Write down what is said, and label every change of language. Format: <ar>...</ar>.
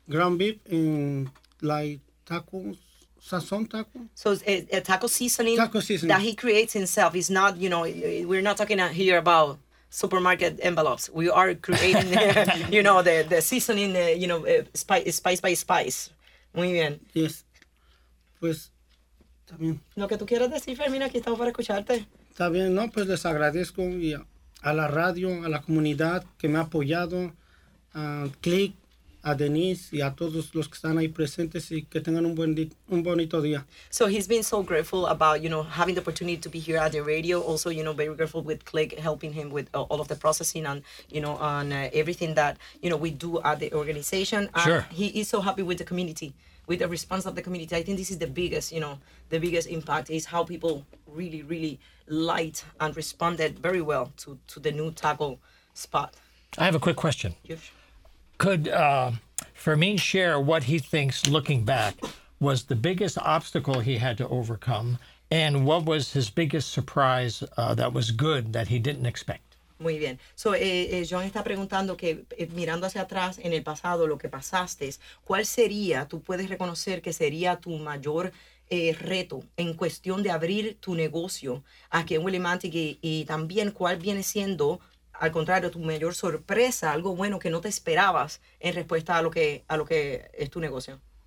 <en>Ground beef in like tacos. Sazón taco? So a taco seasoning. Taco seasoning. That he creates himself. It's not, we're not talking here about supermarket envelopes. We are creating, the seasoning, spice by spice.</en> <es>Muy bien. Yes. Pues, también. Lo que tú quieras decir, Fermín, aquí estamos para escucharte. Está bien, no, pues les agradezco y a la radio, a la comunidad que me ha apoyado, a Click, a Denise y a todos los que están ahí presentes y que tengan un buen un bonito día.</es> <en>So he's been so grateful about, you know, having the opportunity to be here at the radio. Also, you know, very grateful with Click helping him with all of the processing and, you know, on everything that, you know, we do at the organization. Sure. He is so happy with the community, with the response of the community. I think this is the biggest, you know, the biggest impact is how people really, really liked and responded very well to the new taco spot. I have a quick question. Could Fermin share what he thinks, looking back, was the biggest obstacle he had to overcome, and what was his biggest surprise that was good that he didn't expect?</en> <es>Muy bien. So, John está preguntando que, mirando hacia atrás en el pasado, lo que pasaste, ¿cuál sería, tú puedes reconocer que sería tu mayor reto en cuestión de abrir tu negocio aquí en Willimantic y también cuál viene siendo, al contrario, tu mayor sorpresa, algo bueno que no te esperabas en respuesta a lo que es tu negocio?</es>